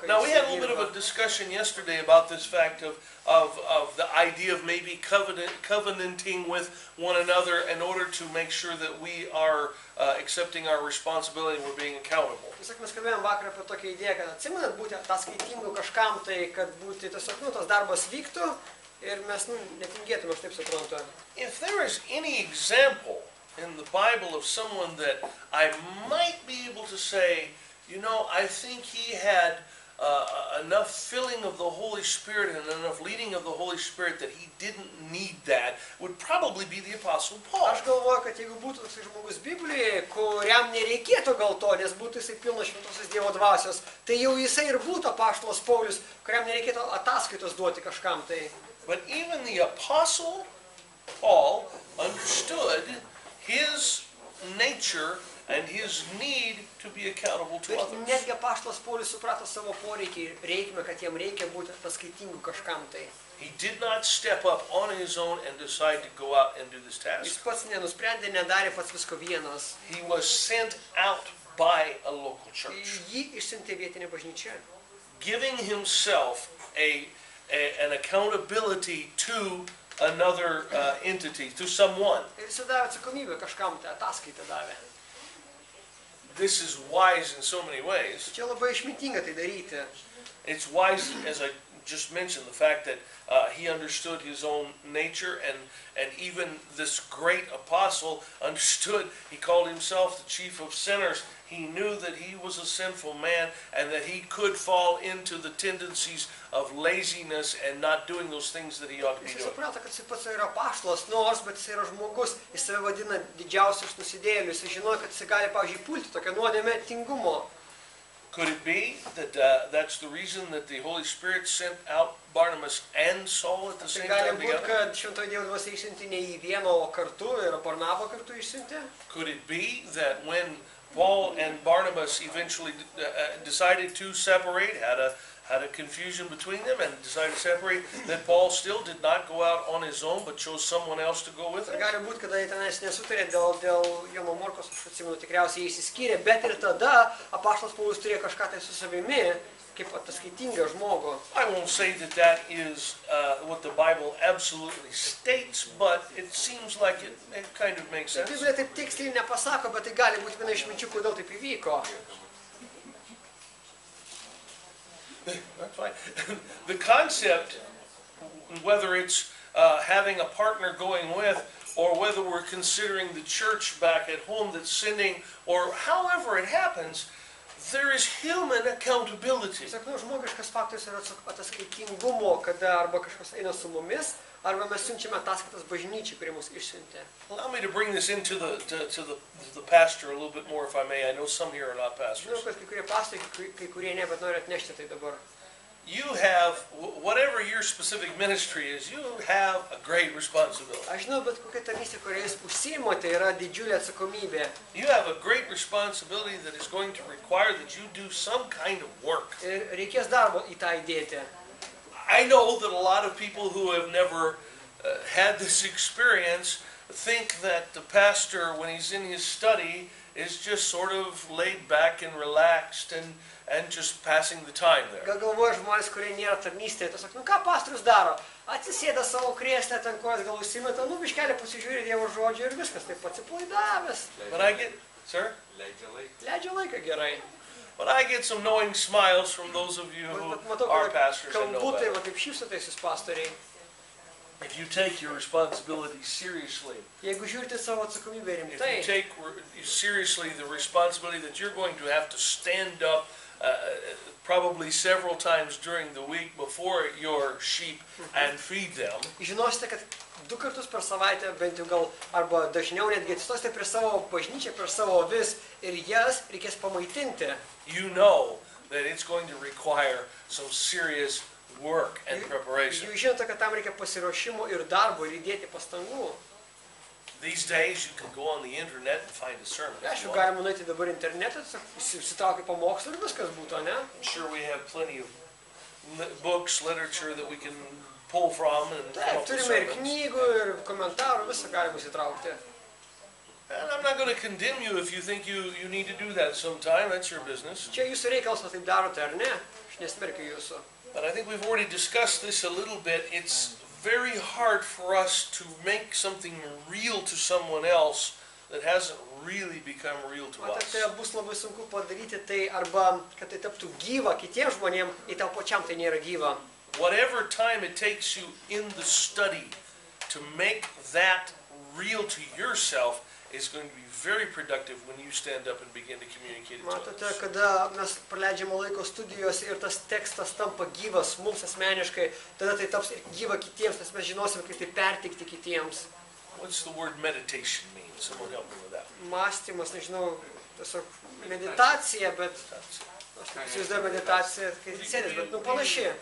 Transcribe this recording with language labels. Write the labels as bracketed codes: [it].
[en] Now we had a little bit of a discussion yesterday about this fact of the idea of maybe covenanting with one another in order to make sure that we are accepting our responsibility and we're being accountable. [lt] Mes kalbėjom vakar apie tokią idėją, kad atsimenat būti atskaitingu kažkam, tai kad būti tiesiog, tas darbas vyktų ir mes netingėtume, aš taip suprantu. [en] If there is any example in the Bible of someone that I might be able to say, you know, I think he had enough filling of the Holy Spirit and enough leading of the Holy Spirit that he didn't need that, would probably be the Apostle Paul. [lt] Aš galvoju, kad jeigu būtų toks žmogus Biblijoje, kuriam nereikėtų gal to, nes būtų jisai pilnas šventosios Dievo dvasios, tai jau jisai ir būtų apaštalas Paulius, kuriam nereikėtų ataskaitos duoti kažkam tai. [en] But even the Apostle Paul understood his nature and his need to be accountable to others. [lt] Netgi apaštalas Paulius suprato savo poreikį ir reikmę, kad jam reikia būti atskaitingu kažkam tai. [en] He did not step up on his own and decide to go out and do this task. [lt] Jis pats nenusprendė, nedarė pats visko vienas. [en] He was sent out by a local church. [lt] Jį išsiuntė vietinė bažnyčia. [en] Giving himself an accountability to another entity, to someone. [lt] Ir jisai davė atsakomybę kažkam, tai ataskaitą davė. [en] This is wise in so many ways. [lt] Čia labai išmintinga tai daryti. [en] It's wise, as I just mentioned, the fact that he understood his own nature and even this great apostle understood, he called himself the chief of sinners. He knew that he was a sinful man and that he could fall into the tendencies of laziness and not doing those things that he ought to be doing. [lt] Jis suprato, kad jis pats yra apaštalas, nors, bet jis yra žmogus, jis save vadina didžiausius nusidėjėlius. Jis žinojo, kad jis gali, pavyzdžiui, pulti tokią nuodėmę tingumo. [en] Could it be that that's the reason that the Holy Spirit sent out Barnabas and Saul at the same time? [lt] Tai gali būti, kad šventoji Dievo dvasia išsiuntė ne į vieną kartu, ir Barnabą kartu išsiuntė? [en] Could it be that when Paul and Barnabas eventually decided to separate, had a confusion between them and decided to separate, that Paul still did not go out on his own but chose someone else to go with him? [lt] Gali būti, kad jie tenais nesutarė dėl Jono Morkos, aš atsimenu, tikriausiai jis išsiskyrė, bet ir tada apaštalas Paulius turėjo kažką tai su savimi, kaip ataskaitingą žmogų. [en] I won't say that is what the Bible absolutely states, but it seems like it kind of makes sense. [lt] Biblija taip tiksliai nepasako, bet tai gali būti viena iš minčių, kodėl taip įvyko. [en] That's right. The concept, whether it's having a partner going with, or whether we're considering the church back at home that's sending, or however it happens, there is human accountability. [lt] Sakau, žmogiškas faktorius yra atskaitingumo, kada arba kažkas eina su mumis, arba mes siunčiame ataskaitas bažnyčiai, kuri mus išsiuntė. [en] Allow me to bring this into the pastor a little bit more, if I may. I know some here are not pastors. [lt] Žinau, kad kai kurie pastoriai, kai kurie ne, bet nori atnešti tai dabar. [en] You have, whatever your specific ministry is, you have a great responsibility. [lt] Aš žinau, bet kokia tarnystė, kurią jūs užsiimate, yra didžiulė atsakomybė. [en] You have a great responsibility that is going to require that you do some kind of work. [lt] Ir reikės darbo į tą įdėti. [en] I know that a lot of people who have never had this experience think that the pastor, when he's in his study, is just sort of laid back and relaxed and just passing the time there. [lt] Galvoja žmonės, kurie nėra tarnystėje, tiesiog, nu ką pastorius daro? Atsisėda savo krėsle, ten kojas gal užsimeta, nu biškelį pasižiūri Dievo žodžio ir viskas, taip atsipalaidavęs. [en] But I get, sir? [lt] Leidžia laiką. Leidžia laiką gerai. [en] But I get some knowing smiles from those of you who are pastors and know better. [lt] Kaip šypsotės jūs pastoriai. [en] If you take your responsibility seriously, [lt] jeigu žiūrite savo atsakomybę rimtai, [en] if you take seriously the responsibility that you're going to have to stand up probably several times during the week before your sheep and feed them, [lt] žinosite, kad du kartus per savaitę, bent jau gal arba dažniau netgi atsistosite prie savo bažnyčią, prie savo avis ir jas reikės pamaitinti, [en] you know that it's going to require some serious work and preparation. [lt] Jūs žinote, kad tam reikia pasiruošimo ir darbo ir įdėti pastangų. [en] These days you can go on the internet and find a sermon. [lt] Aš jau galima nueiti dabar internetą, susitraukti pamokslą ir viskas būtų, ne? [en] Sure, we have plenty of books, literature that we can pull from and help with sermons. [lt] Taip, turime ir knygų, ir komentarų, visą galima susitraukti. [en] And I'm not going to condemn you if you think you need to do that sometime, that's your business. [lt] Čia jūsų reikalas, taip darote, ar ne? Aš nesmerkiu jūsų. [en] But I think we've already discussed this a little bit. It's very hard for us to make something real to someone else that hasn't really become real to us. [lt] Bet tai bus labai sunku padaryti tai, arba kad tai taptų gyva kitiems žmonėms, jei tau pačiam tai nėra gyva. [en] Whatever time it takes you in the study to make that real to yourself is going to be very productive when you stand up and begin to communicate it to [lt] matote, [en] us. [lt] Kada mes praleidžiame laiko studijose ir tas tekstas tampa gyvas mums asmeniškai, tada tai taps gyva kitiems, nes mes žinosime, kaip tai perteikti kitiems. [en] What's the word meditation mean? Someone help me with that. [lt] Mąstymas, nežinau, tiesiog meditacija, bet įsivaizduoju meditaciją, kai sėdės, bet nu panašiai.